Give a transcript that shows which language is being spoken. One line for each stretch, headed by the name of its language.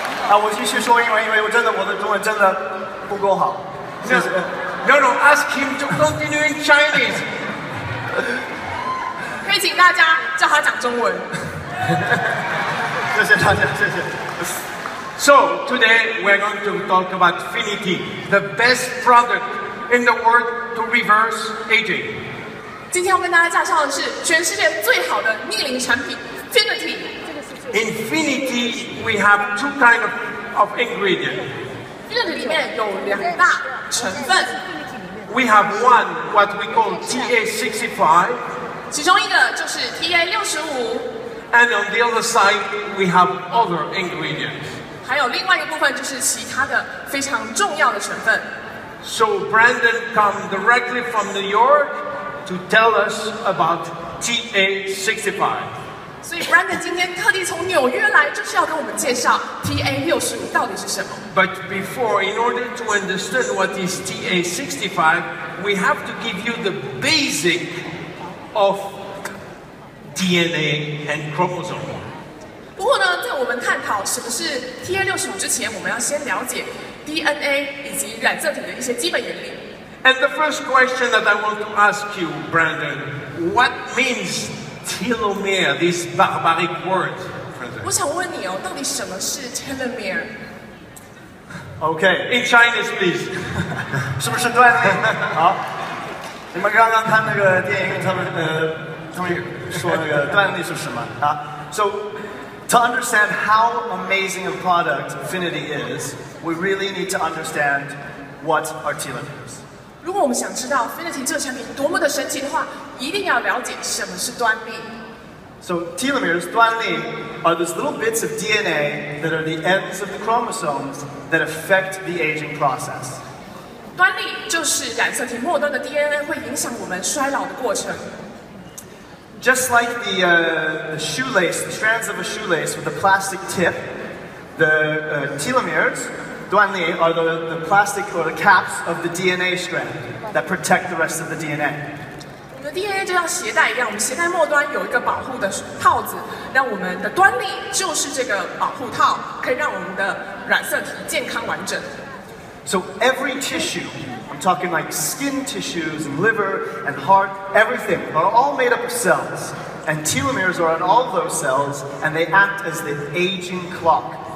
Chinese: 我继续说英文，因为我的中文真的不够好，谢谢。
English: No, ask him to continue in Chinese.
Chinese: 可以请大家叫他讲中文。谢谢大家，谢谢。
English: So, today we're going to talk about Finity, the best product in the world to reverse aging.
Chinese: 今天要跟大家介绍的是全世界最好的逆龄产品 Finity.
English: In Finity, we have two kinds of ingredients.
Chinese: Finity 里面有两大成分。
English: We have one, what we call TA65.
Chinese: 其中一个就是 TA65.
English: And on the other side, we have other ingredients.
Chinese: 还有另外一个部分就是其他的非常重要的成分。
English: So Brandon comes directly from New York to tell us about TA65.
Chinese: 所以 Brandon 今天特地从纽约来，就是要跟我们介绍 TA65 到底是什么。
English: But before, in order to understand what is TA65, we have to give you the basic of DNA and chromosome.
Chinese: 不过呢，在我们探讨什么是 TA65 之前，我们要先了解 DNA 以及染色体的一些基本原理。
English: And the first question that I want to ask you, Brandon, what means telomere, this barbaric word?
Chinese: 我想问你哦，到底什么是 telomere?
English: Okay, in Chinese, please.
Chinese: 是不是段子？好，你们刚刚看那个电影，他们说那个段子是什么啊？
English: So, to understand how amazing a product Finity is, we really need to understand what are telomeres.
Chinese: 如果我们想知道 Finity 这个产品多么的神奇的话，一定要了解什么是端粒。
English: So telomeres, 端粒 are those little bits of DNA that are the ends of the chromosomes that affect the aging process.
Chinese: 端粒就是染色体末端的 DNA 会影响我们衰老的过程。
English: Just like the shoelace, the strands of a shoelace with a plastic tip, the telomeres, 端粒 are the plastic or the caps of the DNA strand that protect the rest of the DNA.
Chinese: 我们的 DNA 就像携带一样，我们携带末端有一个保护的套子，那我们的端粒就是这个保护套，可以让我们的染色体健康完整。
English: So every tissue, I'm talking like skin tissues and liver and heart, everything are all made up of cells, and telomeres are on all those cells, and they act as the aging clock.